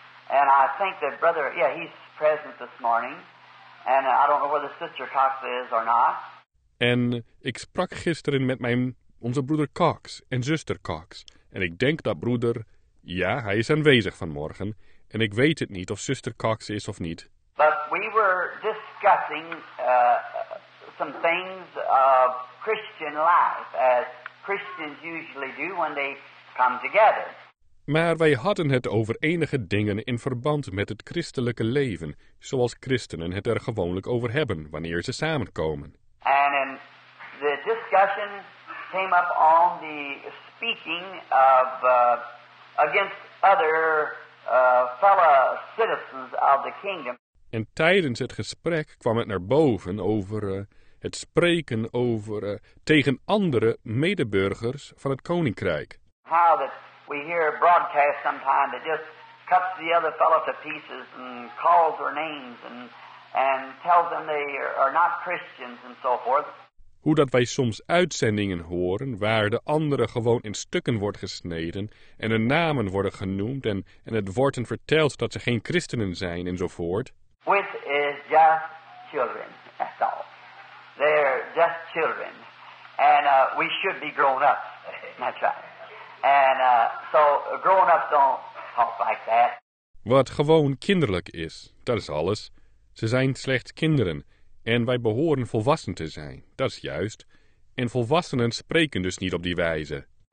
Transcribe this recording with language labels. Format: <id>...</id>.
<en>And I think that brother, yeah, he's present this morning. And I don't know whether sister Cox is or not.</en> <nl>En ik sprak gisteren met onze broeder Cox en zuster Cox. En ik denk dat broeder, ja, hij is aanwezig vanmorgen. En ik weet het niet of zuster Cox is of niet.</nl> <en>But we were discussing some things of Christian life, as Christians usually do when they come together.</en> <nl>Maar wij hadden het over enige dingen in verband met het christelijke leven, zoals christenen het er gewoonlijk over hebben wanneer ze samenkomen.</nl> <en>And in the discussion came up on the speaking of against other fellow citizens of the kingdom.</en> <nl>En tijdens het gesprek kwam het naar boven over het spreken over tegen andere medeburgers van het koninkrijk.</nl> <en>How that we hear broadcast sometimes that just cuts the other fellow to pieces and calls their names and tells them they are not Christians and so forth.</en> <nl>Hoe dat wij soms uitzendingen horen waar de andere gewoon in stukken wordt gesneden en hun namen worden genoemd en het wordt hen verteld dat ze geen christenen zijn enzovoort.</nl> <en>Which is just children, that's all. They're just children. And we should be grown up, that's right. And so grown up don't talk like that.</en> <nl>Wat gewoon kinderlijk is, dat is alles. Ze zijn slechts kinderen. En wij behoren volwassen te zijn, dat is juist. En volwassenen spreken dus niet op die wijze.</nl>